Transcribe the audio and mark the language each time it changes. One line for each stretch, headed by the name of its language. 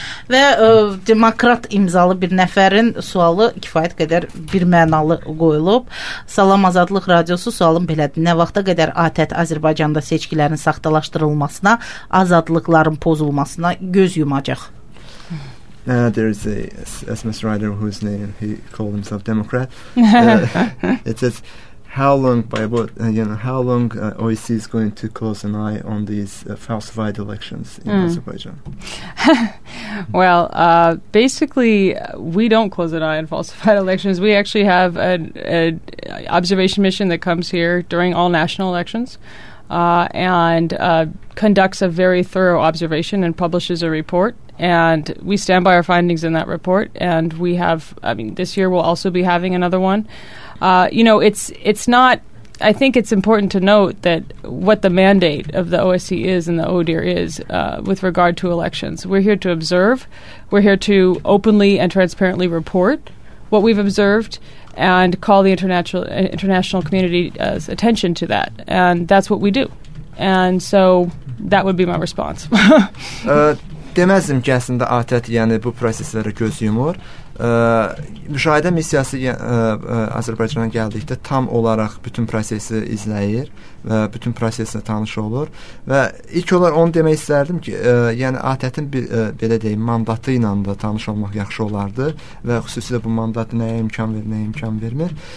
Azerbaijani: Və demokrat imzalı bir nəfərin sualı kifayət qədər bir mənalı qoyulub. Salam Azadlıq Radiosu, sualım belədir. Nə vaxta qədər ATƏT Azərbaycanda seçkilərin saxtalaşdırılmasına, azadlıqların pozulmasına göz yumacaq?
English: There is a SMS writer whose name he called himself Democrat. it says, how long OEC is going to close an eye on these falsified elections in Azerbaijan? Well, basically, we don't close an eye on falsified elections. We actually have an observation mission that comes here during all national elections and conducts a very thorough observation and publishes a report. And we stand by our findings in that report. And we have, I mean, this year we'll also be having another one. You know, it's not I think it's important to note that what the mandate of the OSCE is and the ODIHR is with regard to elections. We're here to observe. We're here to openly and transparently report what we've observed and call the international community's attention to that. And that's what we do. And so that would be my response.
Azerbaijani: Deməzdim ki, əslində ATƏT, yəni bu prosesləri göz yumur. Müşahidə missiyası Azərbaycana gəldikdə tam olaraq bütün prosesi izləyir və bütün proseslə tanış olur. Və ilk olaraq onu demək istərdim ki, yəni ATƏT-in belə deyim, mandatı ilə də tanış olmaq yaxşı olardı və xüsusilə bu mandat nəyə imkan verir, nəyə imkan vermir.